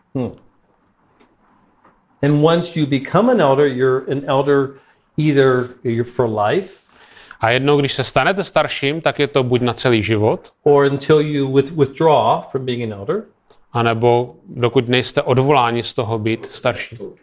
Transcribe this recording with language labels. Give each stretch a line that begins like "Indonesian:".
English: Hmm. And once you become an elder, you're an elder either for life.
Czech: A jednou, když se stanete starším, tak je to buď na celý život.
English: Or until you withdraw from being an elder.
Czech: A nebo dokud nejste odvoláni z toho být starší.